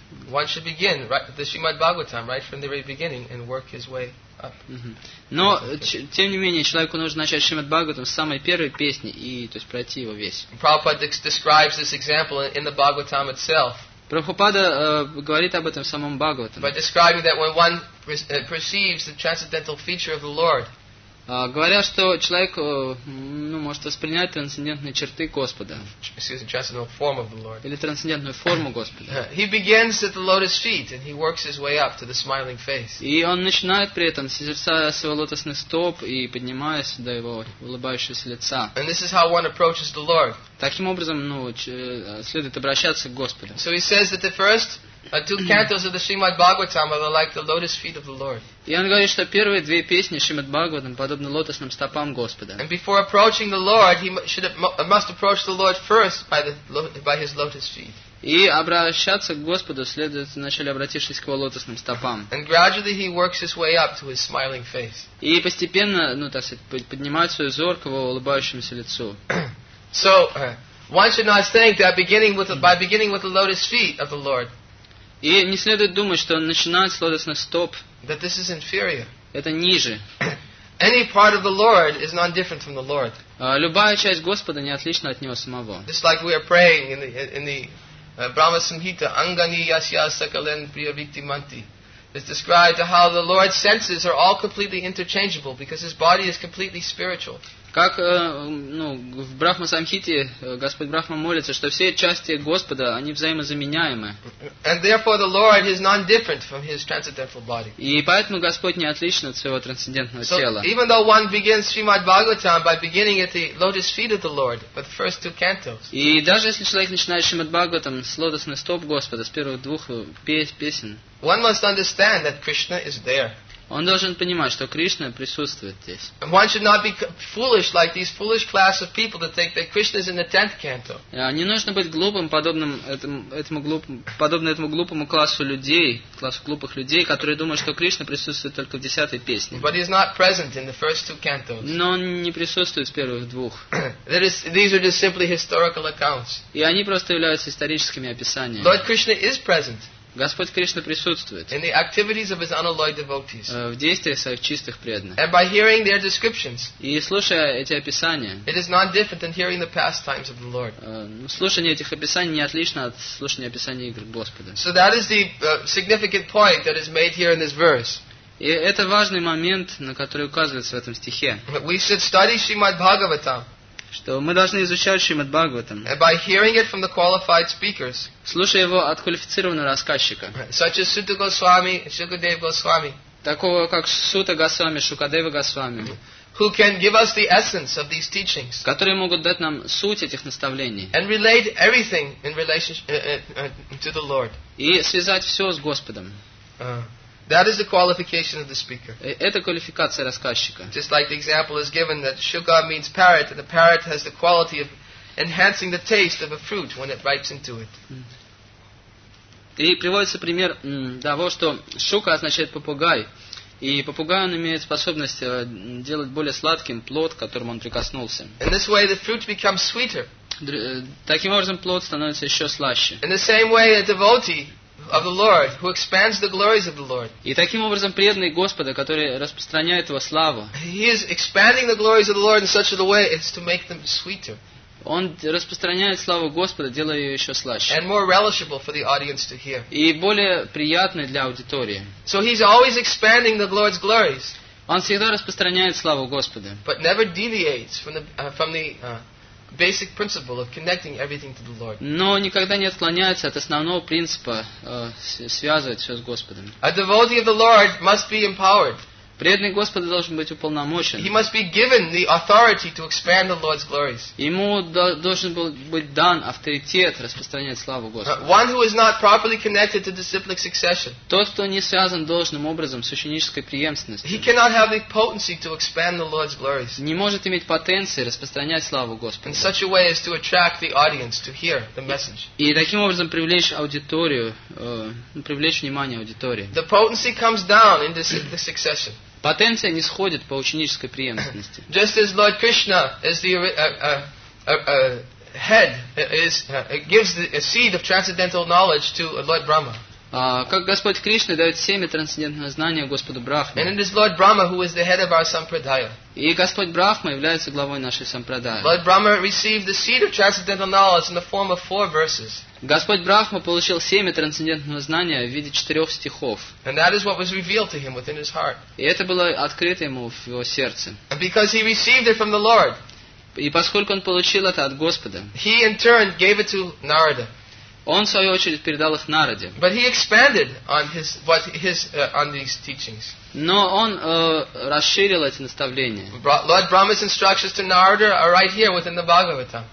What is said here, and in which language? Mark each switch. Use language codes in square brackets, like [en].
[en] One should begin right, the Srimad Bhagavatam right from the very beginning and work his way up. [ru] Но тем не менее человеку нужно начать Шримад Бхагаватам с самой первой песни и то есть пройти его весь. [en] Prabhupada describes this example in the Bhagavatam itself. [ru] Прабхупада говорит об этом в самом Бхагаватам. [en] By describing that when one perceives the transcendental feature of the Lord. [ru] Говоря, что человек может воспринять трансцендентные черты Господа. [en] Excuse me, transcendental form of the Lord. [ru] Или трансцендентную форму Господа. [en] He begins at the lotus feet and he works his way up to the smiling face. [ru] И он начинает при этом, созерцая своего лотосных стоп и поднимаясь до его улыбающегося лица. [en] And this is how one approaches the Lord. [ru] Таким образом, следует обращаться к Господу. [en] So he says that the first two cantos of the Srimad Bhagavatam are like the lotus feet of the Lord. [ru] И он говорит, что первые две песни Шримад Бхагаватам подобны лотосным стопам Господа. [en] And before approaching the Lord, he must approach the Lord first by his lotus feet. [ru] И обращаться к Господу следует вначале обратившись к его лотосным стопам. [en] And gradually he works his way up to his smiling face. [ru] И постепенно, так сказать, поднимает свой взор к его улыбающемуся лицу. [en] So one should not think that by beginning with the lotus feet of the Lord. [ru] И не следует думать, что начинать с лотосных стоп. [en] That this is inferior. [ru] Это ниже. [en] Any part of the Lord is not different from the Lord. [ru] Любая часть Господа не отлична от него самого. [en] Just like we are praying in the Brahma Samhita, [sa] Angani Yasya Sakalen Priya Vikti Manti. [en] It's described how the Lord's senses are all completely interchangeable because his body is completely spiritual. [ru] Как в Брахма Самхите Господь Брахма молится, что все части Господа они взаимозаменяемы. [en] And therefore the Lord is non-different from his transcendental body. [ru] И поэтому Господь не отличен от своего трансцендентного тела. [en] So even though one begins Srimad Bhagavatam by beginning at the lotus feet of the Lord with the first two cantos. [ru] И даже если человек начинает Шримад Бхагаватам с лотосных стоп Господа с первых двух песен. [en] One must understand that Krishna is there. [ru] Он должен понимать, что Кришна присутствует здесь. [en] One should not be foolish like these foolish class of people that think that Krishna is in the 10th canto. [ru] Не нужно быть глупым подобно этому глупому классу глупых людей, которые думают, что Кришна присутствует только в 10-й песне. [en] But he's not present in the first two cantos. [ru] Но он не присутствует в первых двух. [en] These are just simply historical accounts. [ru] И они просто являются историческими описаниями. [en] Lord Krishna is present. [ru] Господь Кришна присутствует [en] in the activities of his unalloyed devotees. [ru] В действиях своих чистых преданных. [en] And by hearing their descriptions, [ru] и слушая эти описания, [en] it is not different than hearing the pastimes of the Lord. [ru] Слушание этих описаний не отлично от слушания описаний игр Господа. [en] So that is the significant point that is made here in this verse. [ru] И это важный момент, на который указывается в этом стихе. [en] But we should study Srimad Bhagavatam. [ru] Что мы должны изучать Шримад Бхагаватам, [en] by hearing it from the qualified speakers, [ru] слушая его от квалифицированного рассказчика, [en] such as Suta Goswami, Shukadeva Goswami, [ru] такого как Сута Госвами, Шукадева Госвами, [en] who can give us the essence of these teachings, [ru] которые могут дать нам суть этих наставлений, [en] and relate everything in relation to the Lord, [ru] и связать все с Господом. [en] That is the qualification of the speaker. [ru] Это квалификация рассказчика. [en] Just like the example is given that Shuka means parrot, and the parrot has the quality of enhancing the taste of a fruit when it bites into it. [ru] И приводится пример того, что Шука означает попугай, и попугай он имеет способность делать более сладким плод, к которому он прикоснулся. [en] In this way, the fruit becomes sweeter. [ru] Таким образом, плод становится еще слаще. [en] In the same way, a devotee of the Lord, who expands the glories of the Lord. [ru] И таким образом преданный Господа, который распространяет его славу. [en] He is expanding the glories of the Lord in such a way as to make them sweeter. [ru] Он распространяет славу Господа, делая ее еще слаще. [en] And more relishable for the audience to hear. [ru] И более приятной для аудитории. [en] So he's always expanding the Lord's glories. [ru] Он всегда распространяет славу Господа. [en] But never deviates from the basic principle of connecting everything to the Lord. [ru] Но никогда не отклоняется от основного принципа связывать все с Господом. [en] A devotee of the Lord must be empowered. [ru] Преданный Господа должен быть уполномочен. [en] He must be given the authority to expand the Lord's glories. [ru] Ему должен был быть дан авторитет распространять славу Господа. [en] One who is not properly connected to disciplic succession. [ru] Тот, кто не связан должным образом с ученической преемственностью. [en] He cannot have the potency to expand the Lord's glories. [ru] Не может иметь потенции распространять славу Господа. [en] In such a way as to attract the audience to hear the message. [ru] И таким образом привлечь внимание аудитории. [en] The potency comes down in disciplic succession. [ru] Потенция не сходит по ученической преемственности. [en] Just as Lord Krishna is the head, gives the seed of transcendental knowledge to Lord Brahma. [ru] Как Господь Кришна дает семя трансцендентного знания Господу Брахме. [en] And it is Lord Brahma who is the head of our sampradaya. [ru] И Господь Брахма является главой нашей сампрадаи. [en] Lord Brahma received the seed of transcendental knowledge in the form of four verses. [ru] Господь Брахма получил семя трансцендентного знания в виде четырех стихов. [en] And that is what was revealed to him within his heart. [ru] И это было открыто ему в его сердце. [en] And because he received it from the Lord. [ru] И поскольку он получил это от Господа. [en] He in turn gave it to Narada. [ru] Он в свою очередь передал их Нараде. [en] But he expanded on on these teachings. [ru] Но он расширил эти наставления. [en] Lord Brahma's instructions to Narada are right here within the Bhagavatam.